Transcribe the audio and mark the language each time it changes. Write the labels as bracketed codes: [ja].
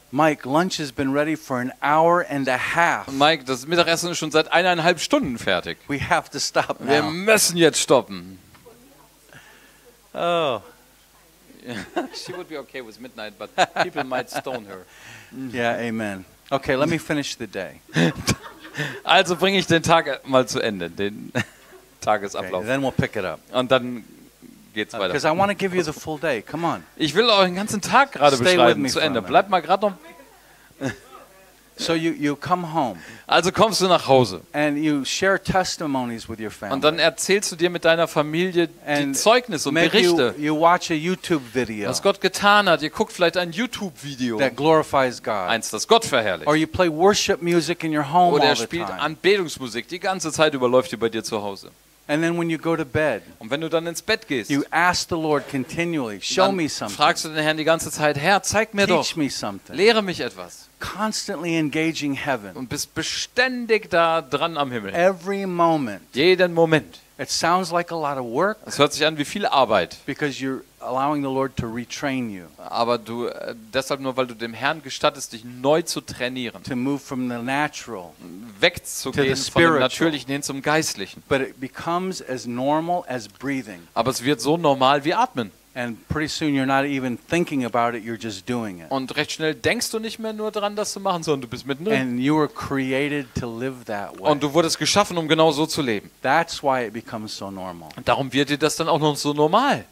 [en] Mike, lunch has been ready for an hour and a half. [de] Mike, das Mittagessen ist schon seit 1,5 Stunden fertig. [en] We have to stop now. [de] Wir müssen jetzt stoppen. Oh. [en] She would be okay with midnight, but people might stone her. Yeah, amen. Okay, let me finish the day. [de] Also bringe ich den Tag mal zu Ende, den Tagesablauf. [en] Okay, then we'll pick it up. [de] Und dann geht's weiter. [en] Because I want to give you the full day. Come on. [de] Ich will euch den ganzen Tag gerade beschreiben zu Ende. Bleibt mal gerade noch. [en] So you come home. [de] Also kommst du nach Hause. [en] And you share testimonies with your family. [de] Und dann erzählst du dir mit deiner Familie die Zeugnisse und Berichte. [en] You watch a YouTube video. [de] Was Gott getan hat. Ihr guckt vielleicht ein YouTube Video. [en] That glorifies God. [de] Eins, das Gott verherrlicht. [en] Or you play worship music in your home. [de] Oder er spielt Anbetungsmusik die ganze Zeit überläuft ihr bei dir zu Hause. [en] And then when you go to bed, [de] und wenn du dann ins Bett gehst, [en] you ask the Lord continually, show me something. [de] Fragst du den Herrn die ganze Zeit, Herr, zeig mir [en] teach [de] doch. [en] Me something. [de] Lehre mich etwas. [en] Constantly engaging heaven. [de] Und bist beständig da dran am Himmel. [en] Every moment. [de] Jeden Moment. [en] It sounds like a lot of work. [de] Es hört sich an wie viel Arbeit. [en] Because you're allowing the Lord to retrain you. [de] Aber du deshalb nur weil du dem Herrn gestattest dich neu zu trainieren. [en] To move from the natural [de] wegzugehen [en] to the spiritual. [de] Von dem natürlichen hin zum geistlichen. [en] But it becomes as normal as breathing. [de] Aber es wird so normal wie atmen. [en] And pretty soon you're not even thinking about it, you're just doing it. [de] Und recht schnell denkst du nicht mehr nur daran, das zu machen, sondern du bist mittendrin. [en] And you were created to live that way. [de] Und du wurdest geschaffen, um genau so zu leben. [en] That's why it becomes so normal. [de] Und darum wird dir das dann auch noch so normal.